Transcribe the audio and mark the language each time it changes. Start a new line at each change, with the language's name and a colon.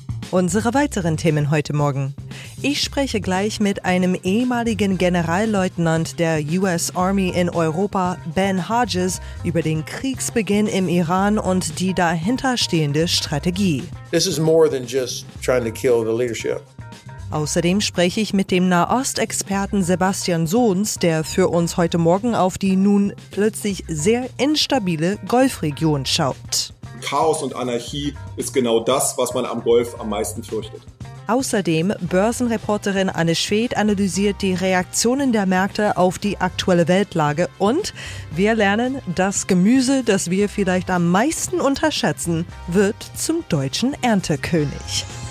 German: Unsere weiteren Themen heute Morgen. Ich spreche gleich mit einem ehemaligen Generalleutnant der US Army in Europa, Ben Hodges, über den Kriegsbeginn im Iran und die dahinterstehende Strategie.
English: This is more than just trying to kill the leadership.
German: Außerdem spreche ich mit dem Nahost-Experten Sebastian Sohns, der für uns heute Morgen auf die nun plötzlich sehr instabile Golfregion schaut. Chaos und Anarchie ist genau das, was man am Golf am meisten fürchtet. Außerdem Börsenreporterin Anne Schwedt analysiert die Reaktionen der Märkte auf die aktuelle Weltlage und wir lernen, das Gemüse, das wir vielleicht am meisten unterschätzen, wird zum deutschen Erntekönig.